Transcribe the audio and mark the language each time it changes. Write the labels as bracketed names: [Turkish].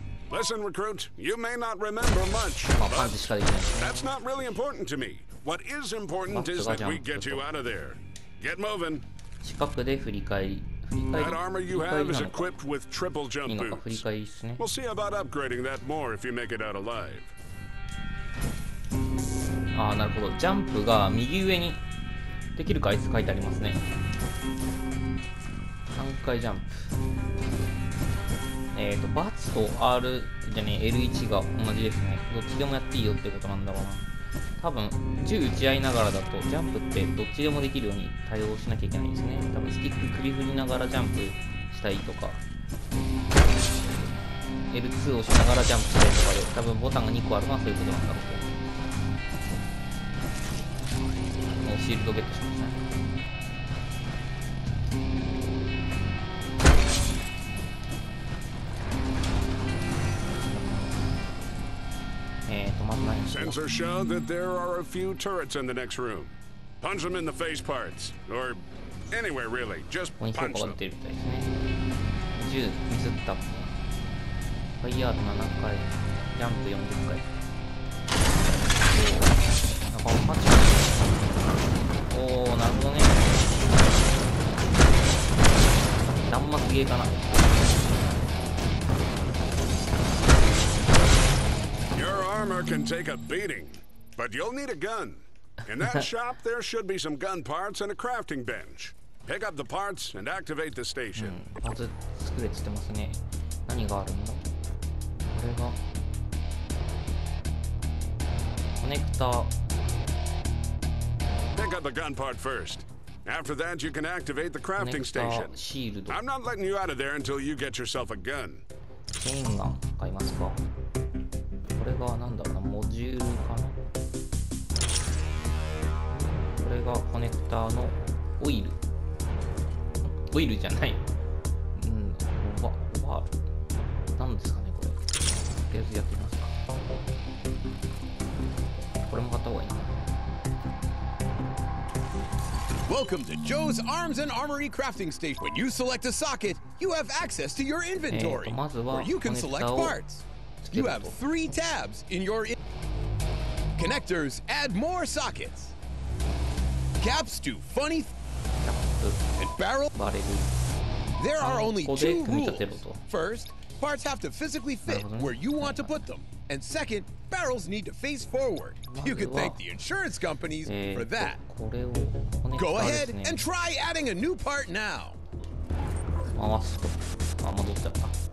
[English] Listen, recruit, you may not remember much, but that's not really important to me. What is important is that we get you out of there. Get moving. [Japanese] 近くで振り返り。 [English] That armor you have is equipped with triple jump boots. We'll see about upgrading that more if you make it out alive. [Japanese] ああなるほど、ジャンプが右上にできる回数書いてありますね。 3回ジャンプ、バツと R じゃねえ L1 が同じですね。どっちでもやっていいよってことなんだろうな。多分銃撃ち合いながらだとジャンプってどっちでもできるように対応しなきゃいけないんですね。多分スティック首振りながらジャンプしたいとか、L2 をしながらジャンプしたいとかで、多分ボタンが2個あるのはそういうことなんだろう。シールドゲットしました、ね。まずないんです。 [English] Sensor show that there are a few turrets in the next room. Punch them in the face parts, or anywhere really. Just punch them. [Japanese] 銃ミスった。ファイヤード7回、ジャンプ40回。なんかパンチ。おお、なるほどね。弾幕ゲーかな。 [English] Your armor can take a beating, but you'll need a gun. In that shop, there should be some gun parts and a crafting bench. Pick up the parts and activate the station. [Japanese] パーツ作れって言ってますね。何があるんだ。これがコネクタ。 [English] Pick up the gun part first. After that, you can activate the crafting station. Shield. I'm not letting you out of there until you get yourself a gun. [Japanese] チェーンガン買いますか。これがなんだろうな、モジュールかな。これがコネクターのオイル。オイルじゃない。オバール。なんですかねこれ。とりあえずやってみますか。これも買った方がいい。 [English] Welcome to Joe's Arms and Armory Crafting Station. When you select a socket, you have access to your inventory, where you can select parts. You have three tabs in your connectors. Add more sockets. Caps do funny and barrel. There are only two rules. First, parts have to physically fit where you want to put them, and second, barrels need to face forward. You could thank the insurance companies for that. Go ahead and try adding a new part now. [Japanese] 回すと、あ、戻っちゃった。